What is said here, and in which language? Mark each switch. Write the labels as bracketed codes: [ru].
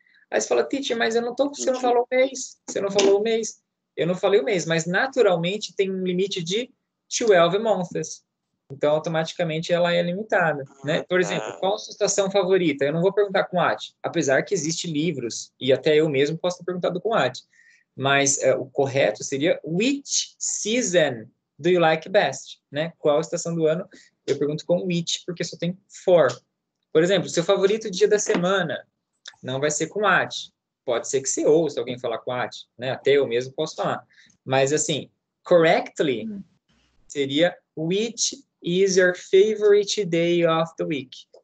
[pt] Aí você fala, teacher, mas eu não tô, você não falou o mês. Você não falou o mês. Eu não falei o mês, mas naturalmente tem um limite de 12 months. Então, automaticamente, ela é limitada, né? Por exemplo, qual a sua estação favorita? Eu não vou perguntar com at, apesar que existem livros, e até eu mesmo posso ter perguntado com at. Mas o correto seria, [en] which season do you like best? [pt] Né? Qual a estação do ano? Eu pergunto com which, porque só tem for. Por exemplo, seu favorito dia da semana não vai ser com at. Pode ser que você ouça alguém falar com at, né? Até eu mesmo posso falar. Mas, assim, [en] correctly seria which is your favorite day of the week?